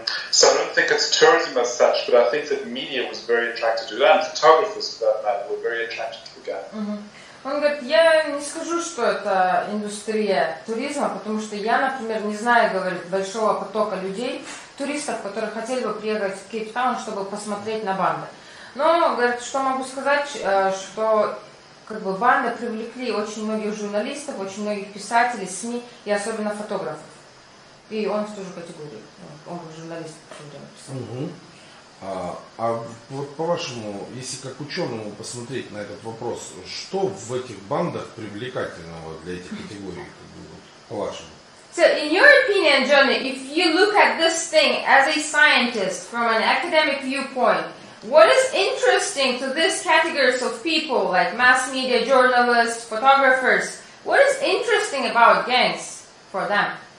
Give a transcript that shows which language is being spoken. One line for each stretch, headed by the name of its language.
English: So I don't think it's tourism as such, but I think that media was very attracted to it, and photographers for that matter were very attracted to the guy. Mm-hmm.
Russian: Он говорит, я не скажу, что это индустрия туризма, потому что я, например, не знаю, говорит, большого потока людей, туристов, которые хотели бы приехать в Кейптаун, чтобы посмотреть на банды. Но, говорит, что могу сказать, что как бы банды привлекли очень многих журналистов, очень многих писателей, СМИ и особенно фотографов. И он в ту же категорию. Он как журналист все время писал. Угу. А вот по-вашему, если как ученому посмотреть на этот вопрос, что в этих бандах привлекательного для этих категорий, как бы, вот, по-вашему?
English: So, in your opinion, Johnny, if you look at this thing as a scientist from an academic viewpoint, what is interesting to these categories of people, like mass media, journalists, photographers, what is interesting about gangs for them?